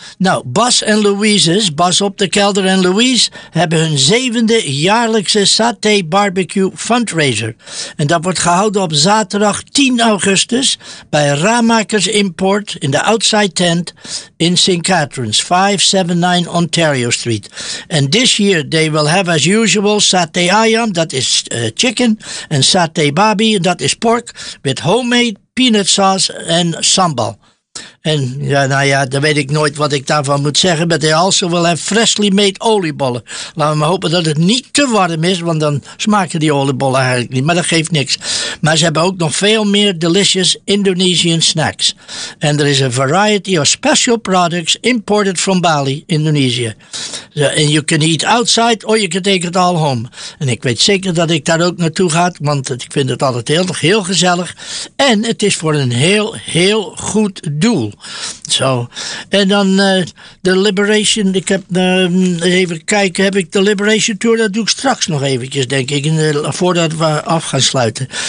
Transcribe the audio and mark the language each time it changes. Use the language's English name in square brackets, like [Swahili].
[Dutch] Nou, Bas en Louise, Bas op de Kelder en Louise, hebben hun 7e jaarlijkse Saté Barbecue Fundraiser. En dat wordt gehouden op zaterdag 10 augustus bij Ramakers Import in de Outside Tent in St. Catharines, 579 Ontario Street. [English] And this year they will have, as usual, satay ayam, that is chicken, and satay babi, that is pork, with homemade peanut sauce and sambal. [Dutch] En ja, nou ja, dan weet ik nooit wat ik daarvan moet zeggen. [English] Maar they also will have freshly made oliebollen. [Dutch] Laten we maar hopen dat het niet te warm is. Want dan smaken die oliebollen eigenlijk niet. Maar dat geeft niks. Maar ze hebben ook nog veel meer [English] delicious Indonesian snacks. [Dutch] En er is [English] a variety of special products imported from Bali, Indonesia. And you can eat outside or you can take it all home. [Dutch] En ik weet zeker dat ik daar ook naartoe ga. Want ik vind het altijd heel, heel gezellig. En het is voor een heel, heel goed doel. Zo. En dan de Liberation. Ik heb even kijken. Heb ik de Liberation Tour? Dat doe ik straks nog eventjes, denk ik. Voordat we af gaan sluiten.